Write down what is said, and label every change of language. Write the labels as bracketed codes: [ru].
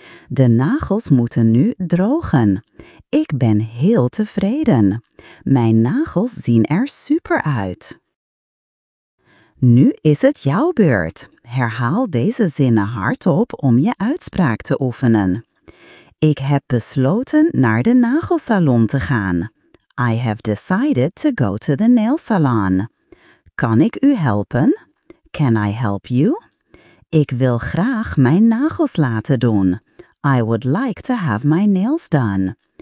[nl] De nagels moeten nu drogen. Ik ben heel tevreden. Mijn nagels zien er super uit. Nu is het jouw beurt. Herhaal deze zinnen hardop om je uitspraak te oefenen. Ik heb besloten naar de nagelsalon te gaan. [en] I have decided to go to the nail salon. [nl] Kan ik u helpen? [en] Can I help you? [nl] Ik wil graag mijn nagels laten doen. [en] I would like to have my nails done.